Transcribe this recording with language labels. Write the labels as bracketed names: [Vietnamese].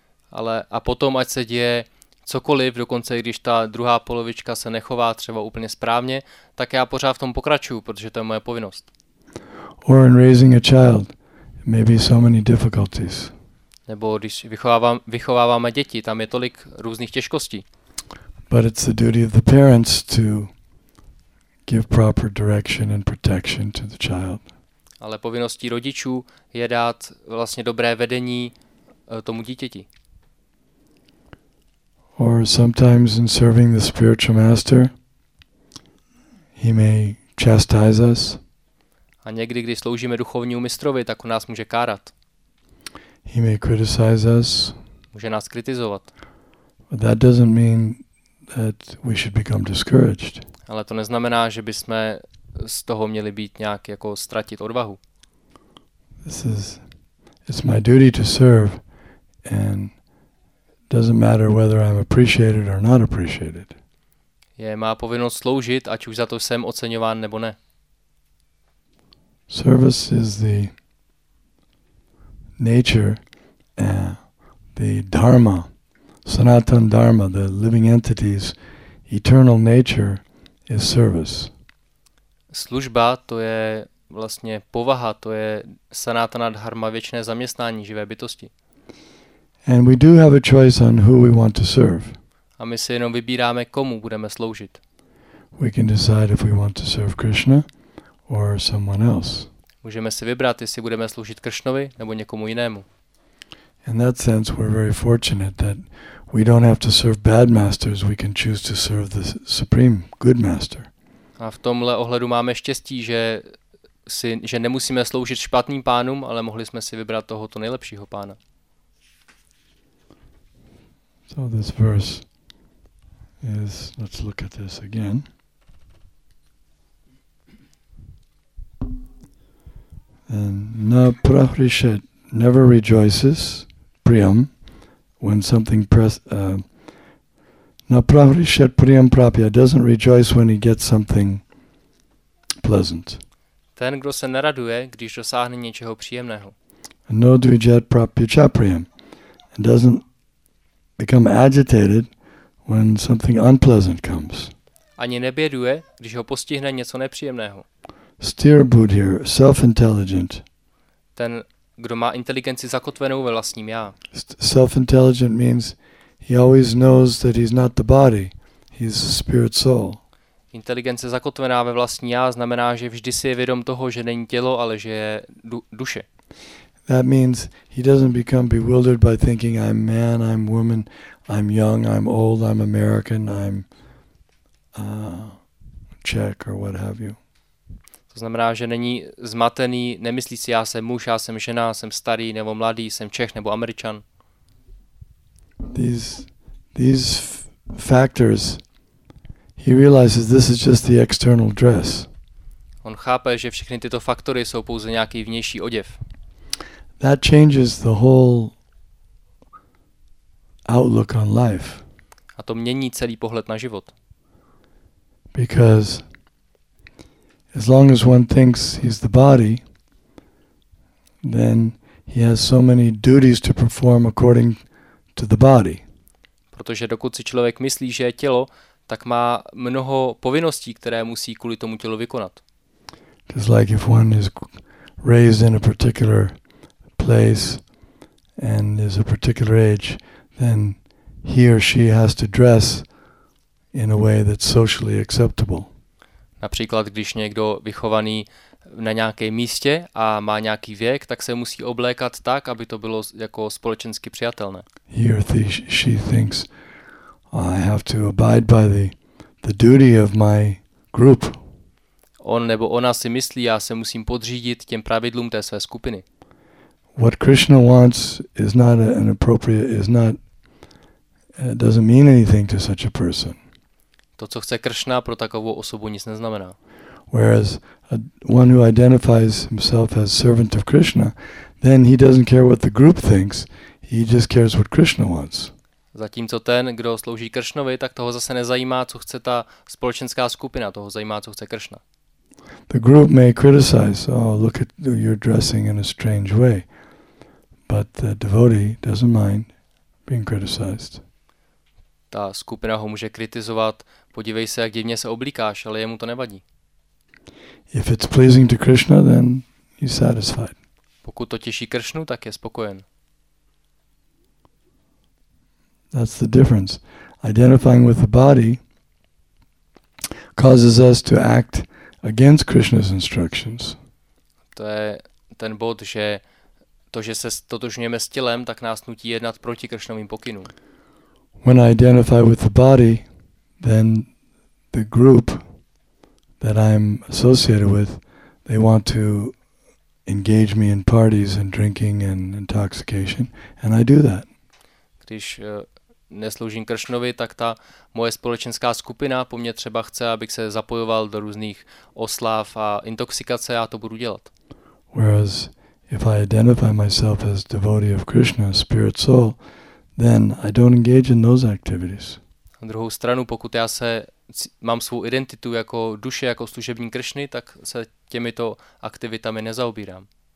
[Czech] Ale a potom ať se děje cokoliv, dokonce i když ta druhá polovička se nechová třeba úplně správně, tak já pořád v tom pokračuju, protože to je moje povinnost. [English] Or in raising a child, maybe so many difficulties. [Czech] Nebo když vychováváme děti, tam je tolik různých těžkostí. [English] But it's the duty of the parents to give proper direction and protection to the child. [Czech] Ale povinností rodičů je dát vlastně dobré vedení tomu dítěti. [English] Or sometimes in serving the spiritual master, he may chastise us. [Czech] A někdy, když sloužíme duchovnímu mistrovi, tak u nás může kárat. [English] He may criticize us. [Czech] Může nás kritizovat. [English] But that doesn't mean that we should become discouraged. [Czech] Ale to neznamená, že bychom z toho měli být nějak jako ztratit odvahu. [English] It's my duty to serve and doesn't matter whether I'm appreciated or not appreciated. [Czech] Je má povinnost sloužit, ať už za to jsem oceňován nebo ne. [English] Service is the nature and the dharma. Sanatan Dharma, the living entity's eternal nature is service. [Czech] Služba, to je vlastně povaha, to je sanátana dharma, věčné zaměstnání živé bytosti. [English] And we do have a choice on who we want to serve. [Czech] A my si jenom vybíráme, komu budeme sloužit. [English] We can decide if we want to serve Krishna or someone else. [Czech] Můžeme si vybrat, jestli budeme sloužit Kršnovi nebo někomu jinému. [English] In that sense, we're very fortunate that we don't have to serve bad masters, we can choose to serve the supreme good master. [Czech] A v tomhle ohledu máme štěstí, že nemusíme sloužit špatným pánům, ale mohli jsme si vybrat tohoto nejlepšího pána. [English] So this verse is, let's look at this again. And [Sanskrit] na prahrishet, [English] never rejoices, priyam, when something [Sanskrit] na prahrishet priyam prapya, [English] doesn't rejoice when he gets something pleasant. [Czech] Ten, kdo se neraduje, když dosáhne něčeho příjemného. [Sanskrit] No dvijat prapya chapriyam, [English] and doesn't become agitated when something unpleasant comes. [Czech] Ani neběduje, když ho postihne něco nepříjemného. [English] Steer Buddhir, self-intelligent. [Czech] Ten, kdo má inteligenci zakotvenou ve vlastním já. [English] Self-intelligent means he always knows that he's not the body, he's the spirit soul. [Czech] Inteligence zakotvená ve vlastní já znamená, že vždy si je vědom toho, že není tělo, ale že je duše. [English] That means he doesn't become bewildered by thinking I'm man, I'm woman, I'm young, I'm old, I'm American, I'm Czech or what have you. [Czech] To znamená, že není zmatený, nemyslí si, já jsem muž, já jsem žena, jsem starý nebo mladý, jsem Čech nebo Američan. [English] These factors, he realizes this is just the external dress. [Czech] On chápe, že všechny tyto faktory jsou pouze nějaký vnější oděv. [English] That changes the whole outlook on life. [Czech] A to mění celý pohled na život. [English] Because as long as one thinks he's the body, then he has so many duties to perform according to the body. [Czech] Protože dokud si člověk myslí, že je tělo, tak má mnoho povinností, které musí kvůli tomu tělu vykonat. [English] Just like if one is raised in a particular place and is a particular age, then he or she has to dress in a way that's socially acceptable. [Czech] Například, když někdo vychovaný na nějakém místě a má nějaký věk, tak se musí oblékat tak, aby to bylo jako společensky přijatelné. [English] She thinks I have to abide by the duty of my group. [Czech] On nebo ona si myslí, já se musím podřídit těm pravidlům té své skupiny. [English] What Krishna wants is not an appropriate is not it doesn't mean anything to such a person. [Czech] To, co chce Kršna, pro takovou osobu nic neznamená. [English] Whereas one who identifies himself as servant of Krishna, then he doesn't care what the group thinks, he just cares what Krishna wants. [Czech] Zatímco ten, kdo slouží Kršnovi, tak toho zase nezajímá, co chce ta společenská skupina, toho zajímá, co chce Kršna. [English] The group may criticize, oh, look at your dressing in a strange way, but the devotee doesn't mind being criticized. [Czech] Ta skupina ho může kritizovat, podívej se, jak divně se oblíkáš, ale jemu to nevadí. [English] If it's pleasing to Krishna, then he's satisfied. [Czech] Pokud to těší Kršnu, tak je spokojen. [English] That's the difference. Identifying with the body causes us to act against Krishna's instructions. [Czech] To je ten bod, že to, že se totožňujeme s tělem, tak nás nutí jednat proti Kršnovým pokynům. [English] When I identify with the body, then the group that I'm associated with, they want to engage me in parties and drinking and intoxication, and I do that. [Czech] Když nesloužím Kršnovi, tak ta moje společenská skupina po mně třeba chce, abych se zapojoval do různých oslav a intoxikace, já to budu dělat. [English] Whereas if I identify myself as devotee of Krishna, spirit soul, then I don't engage in those activities. [Czech] Na druhou stranu, pokud já se mám svou identitu jako duše, jako služební Kršny, tak se těmito aktivitami nezaobírám.